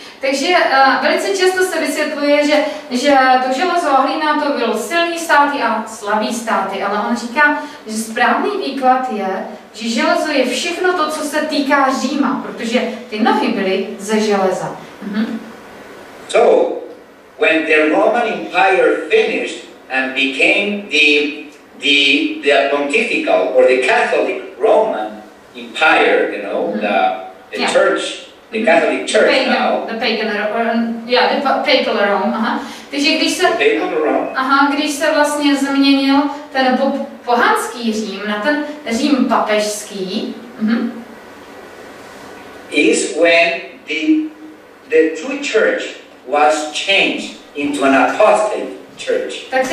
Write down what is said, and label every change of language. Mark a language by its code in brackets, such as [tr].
[cs] Takže velice často se vysvětluje, že to železo a hlína to byl silný státy a slabý státy, ale on říká, že správný výklad je, že železo je všechno to, co se týká Říma, protože ty nohy byly ze železa. [en] So, when the Roman Empire finished and became the pontifical or the Catholic Roman Empire, you know, the yeah. Church, the Catholic Church, the pagan, now. The pagan Rome, yeah, the papal Rome, aha. [cs] Takže když se, [en] the papal Rome. [cs] Aha, když se vlastně změnil ten pohanský Řím na ten Řím papežský, [en] is when the true church was changed into an apostate church.